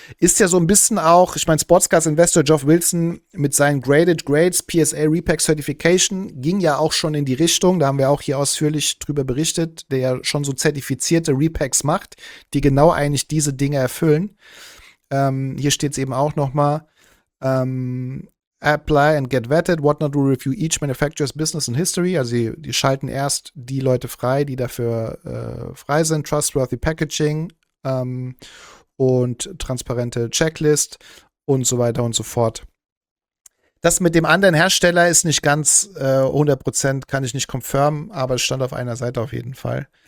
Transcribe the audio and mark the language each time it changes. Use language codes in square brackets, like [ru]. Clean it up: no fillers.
[de] Ist ja so ein bisschen auch, ich meine, Sportscast-Investor Geoff Wilson mit seinen Graded Grades PSA Repack Certification ging ja auch schon in die Richtung, da haben wir auch hier ausführlich drüber berichtet, der ja schon so zertifizierte Repacks macht, die genau eigentlich diese Dinge erfüllen. Hier steht es eben auch nochmal. [en] Apply and get vetted. Whatnot will review each manufacturer's business and history. [de] Also die schalten erst die Leute frei, die dafür frei sind. Trustworthy Packaging und transparente Checklist und so weiter und so fort. Das mit dem anderen Hersteller ist nicht ganz 100%, kann ich nicht confirmen, aber es stand auf einer Seite auf jeden Fall.